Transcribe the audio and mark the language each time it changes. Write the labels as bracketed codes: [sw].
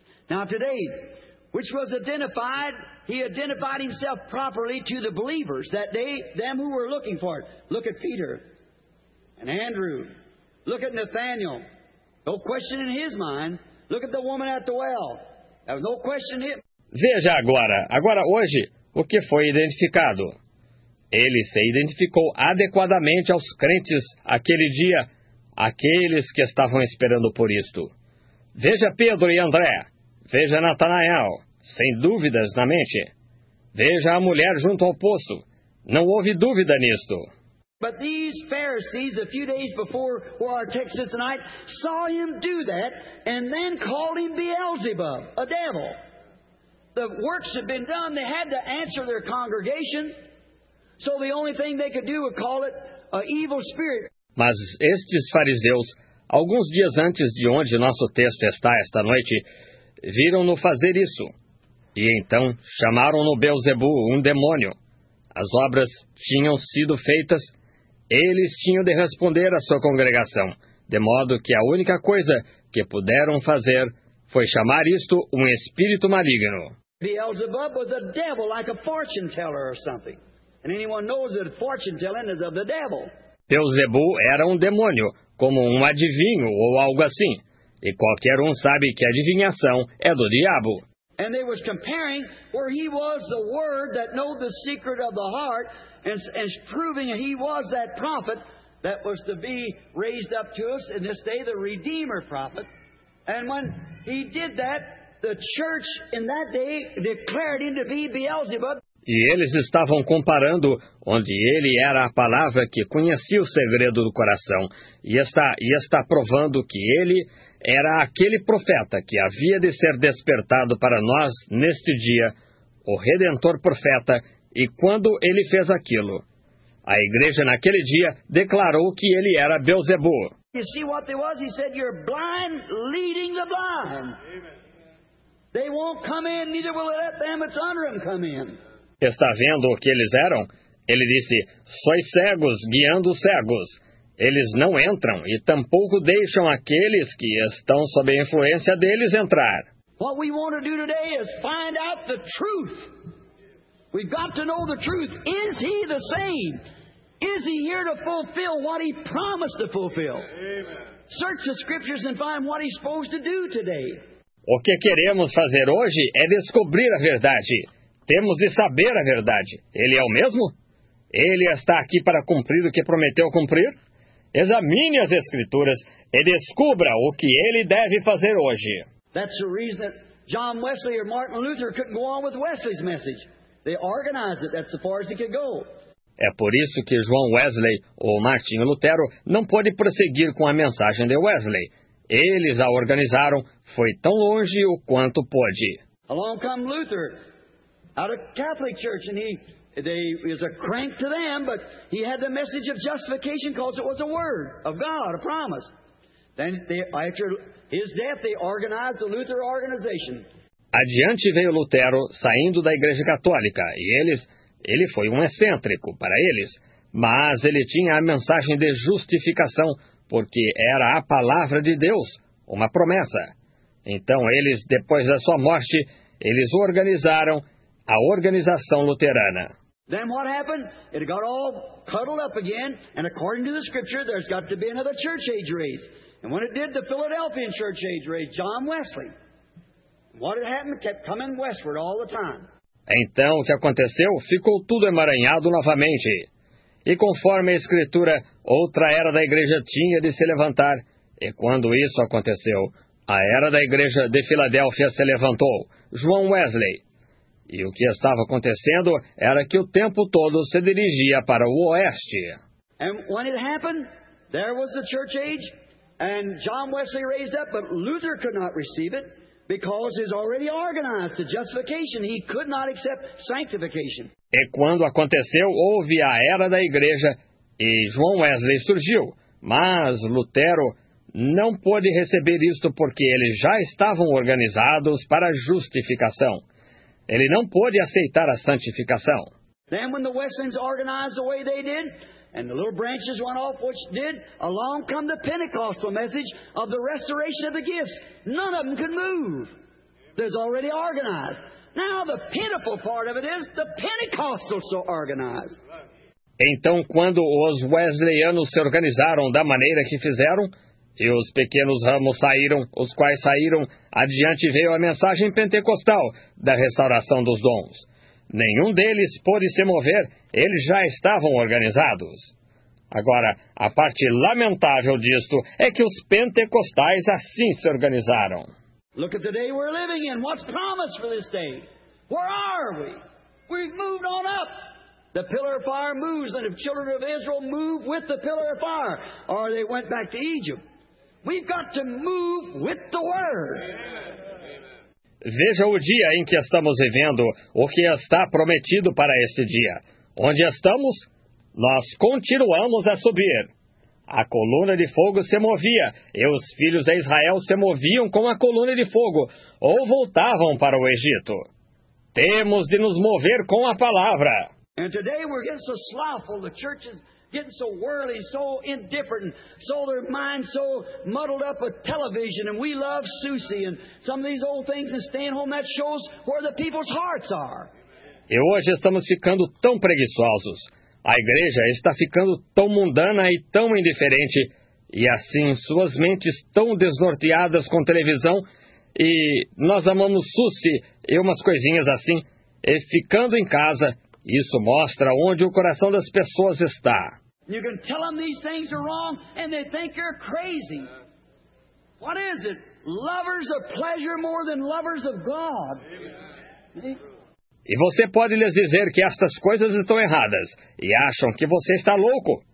[en] Now today, which was identified, he identified himself properly to the believers, that they, them who were looking for it. Look at Peter and Andrew. Look at Nathaniel. No question in his mind. Look at the woman at the well. There was no question in him. [pt] Veja agora hoje, o que foi identificado. Ele se identificou adequadamente aos crentes aquele dia, aqueles que estavam esperando por isto. Veja Pedro e André. Veja Natanael, sem dúvidas na mente. Veja a mulher junto ao poço. Não houve dúvida nisto. [en] But these Pharisees, a few days before our text tonight, saw him do that and then called him Beelzebub, a devil. The works had been done. They had to answer their congregation. So the only thing they could do was call it an evil spirit. [pt] Mas estes fariseus, alguns dias antes de onde nosso texto está esta noite, viram-no fazer isso. E então chamaram-no Beelzebu, um demônio. As obras tinham sido feitas, eles tinham de responder à sua congregação, de modo que a única coisa que puderam fazer foi chamar isto um espírito maligno. [en] Beelzebu was a devil, like a fortune teller or something. And anyone knows that fortune telling is of the devil. [pt] Beelzebu era um demônio, como um adivinho ou algo assim. E qualquer um sabe que a adivinhação é do diabo. [en] And they was comparing where he was the word that knew the secret of the heart and proving he was that prophet that was to be raised up to us in this day, the Redeemer prophet. And when he did that, the church in that day declared him to be Beelzebub. [pt] E eles estavam comparando onde ele era a palavra que conhecia o segredo do coração e está provando que ele era aquele profeta que havia de ser despertado para nós neste dia, o Redentor Profeta, e quando ele fez aquilo. A igreja naquele dia declarou que ele era Beelzebu. [en] You see what there was? He said, you're blind leading the blind. Amen. They won't come in, neither will let them that's under them come in. [pt] Está vendo o que eles eram? Ele disse, sois cegos guiando os cegos. Eles não entram e tampouco deixam aqueles que estão sob a influência deles entrar. [en] What we want to do today is find out the truth. We've got to know the truth. Is he the same? Is he here to fulfill what he promised to fulfill? Amen. Search the scriptures and find what he's supposed to do today. [pt] O que queremos fazer hoje é descobrir a verdade. Temos de saber a verdade. Ele é o mesmo? Ele está aqui para cumprir o que prometeu cumprir? Examine as Escrituras e descubra o que ele deve fazer hoje. [en] That's the reason that John Wesley or Martin Luther couldn't go on with Wesley's message. They organized it, that's as far as he could go. [pt] É por isso que João Wesley ou Martinho Lutero não pôde prosseguir com a mensagem de Wesley. Eles a organizaram, foi tão longe o quanto pôde. [en] Along come Luther, out of Catholic Church, and he... They is a crank to them, but he had the message of justification because it was a word of God, a promise. Then they, after his death, they organized the Luther organization. [pt] Adiante veio Lutero saindo da Igreja Católica, e ele foi um excêntrico para eles, mas ele tinha a mensagem de justificação porque era a palavra de Deus, uma promessa. Então eles, depois da sua morte, eles organizaram a organização luterana. [en] Then what happened? It got all cuddled up again, and according to the scripture, there's got to be another church age raised. And when it did, the Philadelphian church age raised John Wesley. What had happened kept coming westward all the time. [pt] Então, o que aconteceu? Ficou tudo emaranhado novamente. E conforme a escritura, outra era da igreja tinha de se levantar. E quando isso aconteceu, a era da igreja de Filadélfia se levantou, João Wesley. E o que estava acontecendo era que o tempo todo se dirigia para o oeste. [en] And when it happened, there was the church age, and John Wesley raised up, but Luther could not receive it. Because he's already organized the justification, he could not accept sanctification. [pt] E quando aconteceu, houve a era da igreja e João Wesley surgiu. Mas Lutero não pôde receber isto porque eles já estavam organizados para justificação. Ele não pôde aceitar a santificação. [en] Then when the Wesleyans organized the way they did, and the little branches went off, which did, along come the Pentecostal message of the restoration of the gifts. None of them could move. There's already organized. Now the pitiful part of it is the Pentecostals so organized. [pt] Então, quando os Wesleyanos se organizaram da maneira que fizeram, e os pequenos ramos saíram, os quais saíram, adiante veio a mensagem pentecostal da restauração dos dons. Nenhum deles pôde se mover, eles já estavam organizados. Agora, a parte lamentável disto é que os pentecostais assim se organizaram. [en] Look at the day we're living in. What's promised for this day? Where are we? We've moved on up. The pillar of fire moves, and if children of Israel move with the pillar of fire, or they went back to Egypt. We've got to move with the word. [pt] Veja o dia em que estamos vivendo, o que está prometido para esse dia. Onde estamos? Nós continuamos a subir. A coluna de fogo se movia, e os filhos de Israel se moviam com a coluna de fogo, ou voltavam para o Egito. Temos de nos mover com a palavra. E hoje estamos tão [en] so slothful, [pt] as igrejas [en] getting so worldly, so indifferent, so their minds so muddled up with television, and we love Susie and some of these old things and staying home, that shows where the people's hearts are. [pt] E hoje estamos ficando tão preguiçosos. A igreja está ficando tão mundana e tão indiferente, e assim suas mentes tão desnorteadas com televisão, e nós amamos Susie e umas coisinhas assim, e ficando em casa. Isso mostra onde o coração das pessoas está. [en] You can tell them these things are wrong and they think you're crazy. What is it? Lovers of pleasure more than lovers of God. [pt] E você pode lhes dizer que estas coisas estão erradas e acham que você está louco.